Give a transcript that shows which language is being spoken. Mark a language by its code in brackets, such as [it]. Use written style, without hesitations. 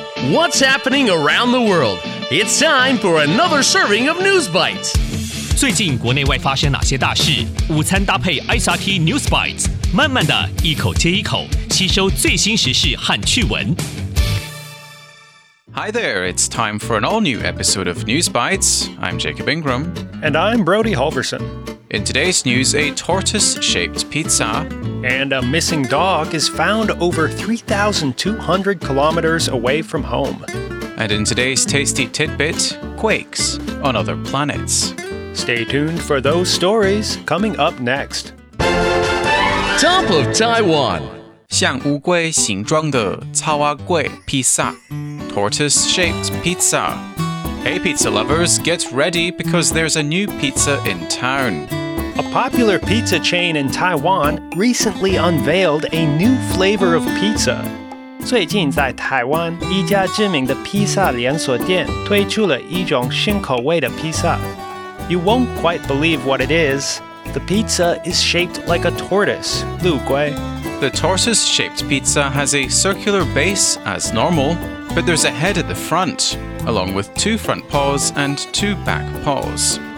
[en] What's happening around the world? It's time for another serving of News Bites. [zh] 最近国内外发生哪些大事？午餐搭配 SRT News Bites， 慢慢的一口接一口，吸收最新时事和趣闻。 [en] Hi there, it's time for an all-new episode of News Bites. I'm Jacob Ingram. And I'm Brody Halverson. In today's news, a tortoise-shaped pizza. And a missing dog is found over 3,200 kilometers away from home. And in today's tasty tidbit, quakes on other planets. Stay tuned for those stories coming up next. Top of Taiwan. [zh] 像乌龟形状的草蛙龟披萨。 [en] Tortoise-shaped pizza. Hey pizza lovers, get ready because there's a new pizza in town. A popular pizza chain in Taiwan recently unveiled a new flavor of pizza. [zh] 最近在台湾，一家知名的披萨连锁店推出了一种新口味的披萨。 [en] You won't quite believe what it is. The pizza is shaped like a tortoise, [zh] 陆龟。 [en] The tortoise-shaped pizza has a circular base as normal, but there's a head at the front, along with two front paws and two back paws.